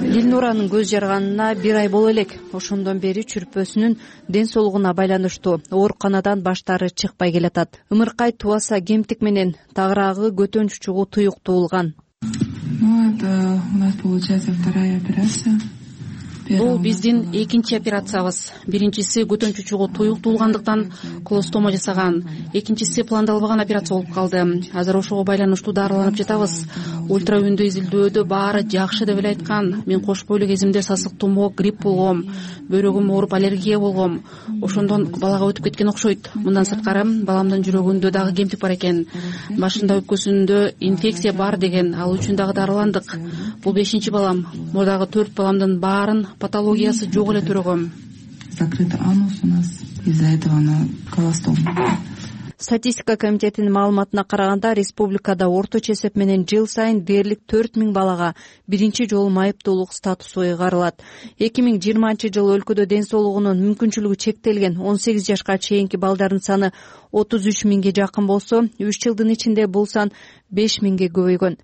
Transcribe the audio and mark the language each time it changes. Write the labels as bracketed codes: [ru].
[ky] Нюранын көз жарганына бир ай боло элек. Ошондон бери чүрпөсүнүн ден соолугуна байланыштуу ооруканадан баштары чыкпай келатат. Ымыркай тубаса кемтик менен тагыраагы көтөн чучугу туюк туулган. [ru] Ну, это у нас получается вторая операция. [ky] Бул биздин экинчи операциябыз. Биринчиси көтөн чучугу туюк туулгандыктан колостома жасаган. Экинчиси пландалбаган операция болуп калды. Азыр ошого байланыштуу дарыланып жатабыз. Ультраүндү изилдөөдө баары жакшы деп эле айткан. Мен кош бойлу кезимде сасык тумоо, грипп болгом, бөйрөгүм ооруп аллергия болгом. Ошондон балага өтүп кеткен окшойт. Мындан сырткары баламдын жүрөгүндө дагы кемтик бар экен. Башында өпкөсүндө инфекция бар деген. Ал үчүн дагы дарыландык. Бул 5-чи балам. Мурдагы 4 баламдын баарын патологиясы жок эле төрөгөм. [ru] Закрыт анус у нас из-за этого на колостом. [ky] Статистика комитетинин маалыматына караганда республикада орточо эсеп менен жыл сайын дээрлик 4000 балага биринчи жолу майыптуулук статусу ыйгарылат. 2020 жылы өлкөдө ден соолугунун мүмкүнчүлүгү чектелген 18 жашка чейинки балдардын саны 33000 жакын болсо, 3 жылдын ичинде бул сан 5000 көбөйгөн.